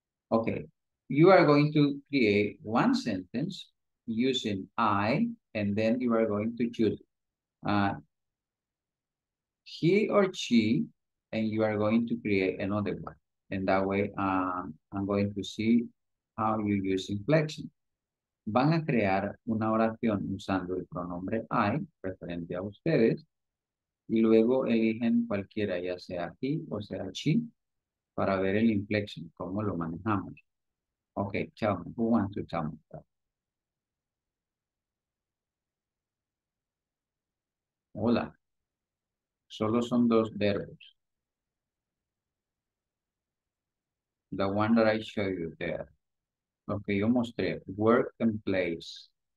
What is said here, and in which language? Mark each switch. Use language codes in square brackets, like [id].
[en] Okay, you are going to create one sentence using I, and then you are going to choose he or she, and you are going to create another one. And that way, I'm going to see how you use inflection. [es] Van a crear una oración usando el pronombre I, referente a ustedes, y luego eligen cualquiera, ya sea he o sea she, para ver el inflection, cómo lo manejamos. [en] Ok, tell me, who wants to tell me that? [es] Hola. Solo son dos verbos. [en] The one that I showed you there. [es] Lo que yo mostré, [en] work and place.